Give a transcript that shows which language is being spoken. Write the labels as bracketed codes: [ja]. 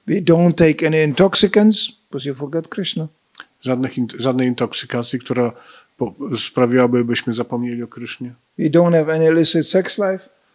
[en] We don't take any intoxicants, because you forget Krishna. [pl] Żadnej intoksykacji, która sprawiłaby, byśmy zapomnieli o Krysznie. [en] We don't have any illicit sex life.